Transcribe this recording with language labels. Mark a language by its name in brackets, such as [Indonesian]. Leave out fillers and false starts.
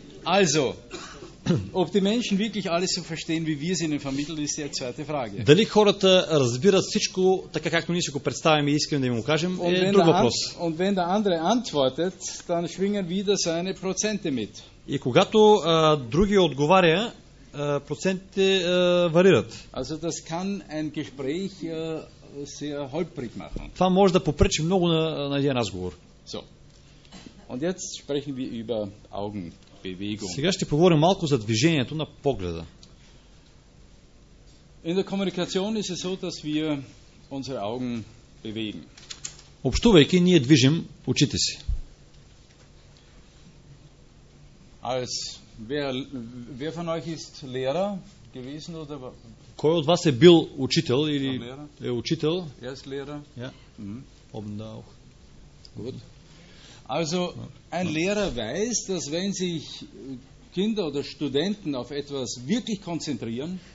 [German] Also, ob die Menschen wirklich alles so verstehen, wie wir es ihnen vermitteln, ist die zweite Frage. [Bulgarian] Дали хората разбират всичко така, както ние си го представим и искаме да им го кажем, е друг въпрос. [German] Und wenn der andere antwortet, dann schwingen wieder seine Prozente mit. [Bulgarian] И когато другия отговаря, процентите варират. [German] Also, das kann ein Gespräch sehr holprig machen. [Bulgarian] Това може да попречи много на един разговор. [German] So. Und jetzt sprechen wir über Augen. [Bulgarian] Сега ще поговорим малко за движението на погледа. [German] In der Kommunikation ist es so, dass wir unsere Augen bewegen. [Bulgarian] Общувайки, ние движим очите си. [German] Als wer von euch ist Lehrer gewesen oder [Bulgarian] кой от вас е бил учител или е учител? [German] Er ist Lehrer. Ja. Oben da auch. Gut. Also, ein Lehrer weiß, dass wenn sich Kinder oder Studenten auf etwas wirklich konzentrieren,